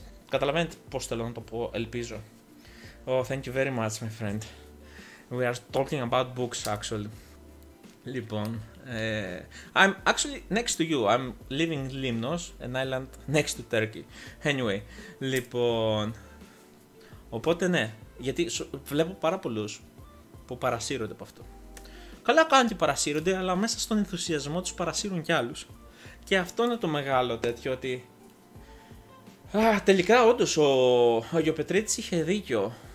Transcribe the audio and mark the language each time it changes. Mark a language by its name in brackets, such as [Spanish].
[Greek] Καταλαβαίνετε πώς θέλω να το πω, ελπίζω. [English] Oh, thank you very much, my friend. We are talking about books, actually. Λοιπόν, I'm actually next to you. I'm living in Limnos, an island next to Turkey. [Greek] Anyway, λοιπόν, οπότε ναι, γιατί βλέπω πάρα πολλούς που παρασύρονται από αυτό. Καλά κάνουν και παρασύρονται, αλλά μέσα στον ενθουσιασμό τους παρασύρουν κι άλλους. Και αυτό είναι το μεγάλο τέτοιο, ότι τελικά όντως ο Αγιοπετρίτης είχε δίκιο.